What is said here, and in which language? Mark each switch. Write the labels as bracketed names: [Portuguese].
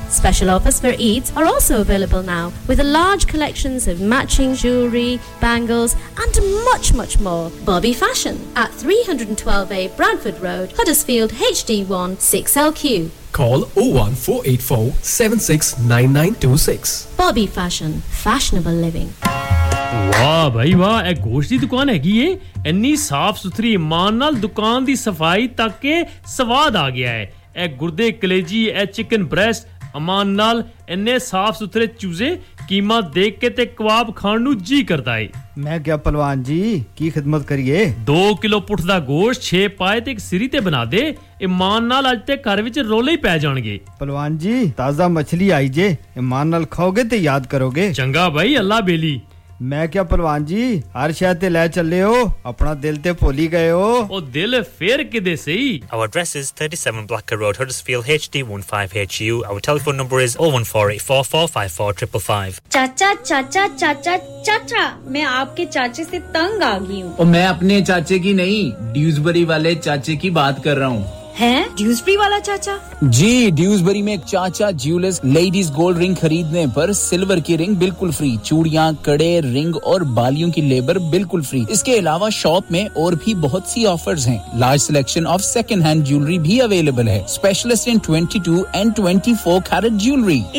[English] Special offers for Eids are also available now with a large collections of matching jewellery, bangles and much, much more. Bobby Fashion at 312A Bradford Road, Huddersfield, HD1 6LQ. Call 01484 769926. Bobby Fashion, fashionable living. [Punjabi] ਵਾਹ ਭਾਈ ਵਾਹ ਇਹ ਗੋਸ਼ਤ ਦੀ ਦੁਕਾਨ ਹੈਗੀ ਏ ਇੰਨੀ ਸਾਫ਼ ਸੁਥਰੀ ਮਾਨ ਨਾਲ ਦੁਕਾਨ ਦੀ ਸਫਾਈ ਤੱਕ ਕੇ ਸਵਾਦ ਆ ਗਿਆ ਹੈ ਇਹ ਗੁਰਦੇ ਕਲੇਜੀ ਇਹ ਚਿਕਨ ਬ੍ਰੈਸਟ ਅਮਾਨ ਨਾਲ ਇੰਨੇ ਸਾਫ਼ ਸੁਥਰੇ ਚੂਜ਼ੇ ਕੀਮਾ ਦੇਖ ਕੇ ਤੇ ਕਬਾਬ ਖਾਣ ਨੂੰ ਜੀ ਕਰਦਾ ਏ ਮੈਂ ਕਿਹਾ ਭਲਵਾਨ ਜੀ ਕੀ ਖਿਦਮਤ ਕਰੀਏ 2 ਕਿਲੋ ਪੁੱਠ ਦਾ ਗੋਸ਼ਤ 6 ਪਾਏ ਤੇ ਇੱਕ ਸਿਰੀ ਤੇ ਬਣਾ ਦੇ ਇਮਾਨ ਨਾਲ ਅੱਜ ਤੇ ਘਰ ਵਿੱਚ ਰੋਲੇ ਹੀ ਪੈ ਜਾਣਗੇ ਭਲਵਾਨ ਜੀ ਤਾਜ਼ਾ ਮੱਛਲੀ ਆਈ ਜੇ ਇਮਾਨ ਨਾਲ ਖਾਓਗੇ ਤੇ ਯਾਦ ਕਰੋਗੇ ਚੰਗਾ ਭਾਈ ਅੱਲਾ ਬੇਲੀ ਮੈਂ ਕਿਹਾ ਭਲਵਾਨ ਜੀ ਹਰ ਸ਼ਹਿਰ ਤੇ ਲੈ ਚੱਲੇ ਹੋ ਆਪਣਾ ਦਿਲ ਤੇ ਭੁੱਲ ਹੀ ਗਏ ਹੋ ਉਹ ਦਿਲ ਫੇਰ ਕਿਦੇ ਸਹੀ [English] Our address is 37 Blacker Road, Huddersfield, HD15HU. Our telephone number is 01484-454-555. [Hindi] ਚਾਚਾ ਚਾਚਾ ਚਾਚਾ ਚਾਚਾ ਮੈਂ ਆਪਕੇ ਚਾਚੇ ਸੇ ਤੰਗ ਆ ਗਈ ਹੂੰ ਉਹ ਮੈਂ ਆਪਣੇ ਚਾਚੇ ਕੀ ਨਹੀਂ ਡਿਊਜ਼ਬਰੀ ਵਾਲੇ ਚਾਚੇ ਕੀ ਬਾਤ ਕਰ ਰਹਾ ਹੂੰ है ड्यूसबरी वाला चाचा जी ड्यूसबरी में एक चाचा ज्वेलर्स लेडीज गोल्ड रिंग खरीदने पर सिल्वर की रिंग बिल्कुल फ्री चूड़ियां कड़े रिंग और बालियों की लेबर बिल्कुल फ्री इसके अलावा शॉप में और भी बहुत सी ऑफर्स हैं [English] large selection of second hand jewellery [Hindi] भी अवेलेबल है [English] specialist in 22 and 24 carat jewellery